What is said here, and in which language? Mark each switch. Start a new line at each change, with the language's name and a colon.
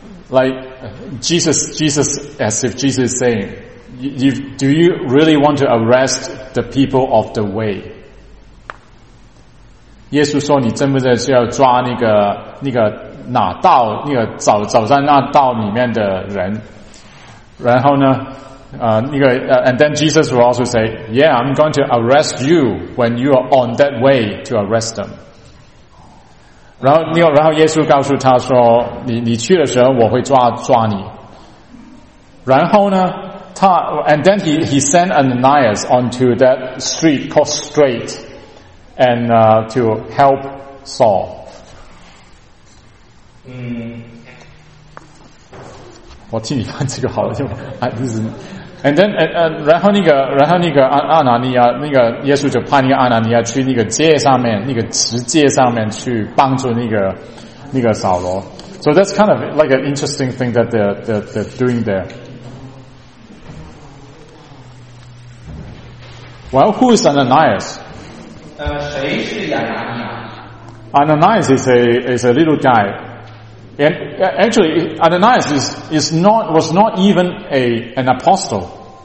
English: Like Jesus, as if Jesus is saying, do you really want to arrest the people of the way?
Chinese: 耶稣说：“你真不真是要抓那个那道那个走在那道里面的人？” 然后呢，
English: and then Jesus will also say, "Yeah, I'm going to arrest you when you are on that way to arrest them."
Chinese: 然后耶稣告诉他说：“你去的时候，我会抓你。” 然后呢，他
English: and then he sent Ananias onto that street called Straight. And to help Saul.
Chinese: 我替你翻这个好了，就啊，就是。
English: And then,
Chinese: 然后那个阿拿尼亚，那个耶稣就派那个阿拿尼亚去那个街上面，那个直街上面去帮助那个扫罗。
English: So that's kind of like an interesting thing that they're doing there. Well, who is Ananias?
Chinese: 谁是亚拿尼亚？
English: Ananias is a little guy. And actually, Ananias was not even an apostle.